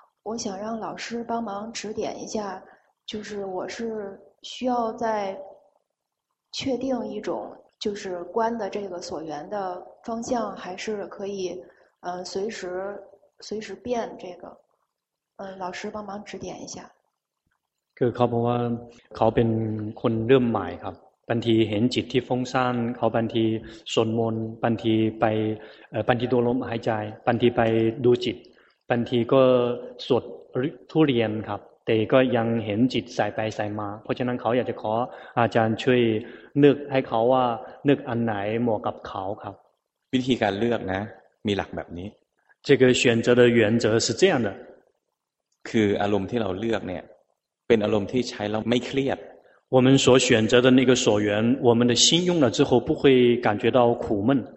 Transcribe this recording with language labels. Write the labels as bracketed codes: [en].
[zh] 我想让老师帮忙指点一下，就是我是需要在确定一种就是观的这个所缘的方向，还是可以随时变这个？老师帮忙指点一下。 [th] คือเขาบอกว่าเขาเป็นคนเริ่มใหม่ครับบางทีเห็นจิตที่ฟุ้งซ่านเขาบางทีสวดมนต์บางทีไปบางทีดูลมหายใจบางทีไปดูจิตบางทีก็สวดทุเรียนครับแต่ก็ยังเห็นจิตสายไปสายมาเพราะฉะนั้นเขาอยากจะขออาจารย์ช่วยนึกให้เขาว่านึกอันไหนเหมาะกับเขาครับ วิธีการเลือกนะมีหลักแบบนี้ [zh] 这个选择的原则是这样的 [th] คืออารมณ์ที่เราเลือกเนี่ยเป็นอารมณ์ที่ใช้แล้วไม่เครียด [zh] 我们所选择的那个所缘我们的心用了之后不会感觉到苦闷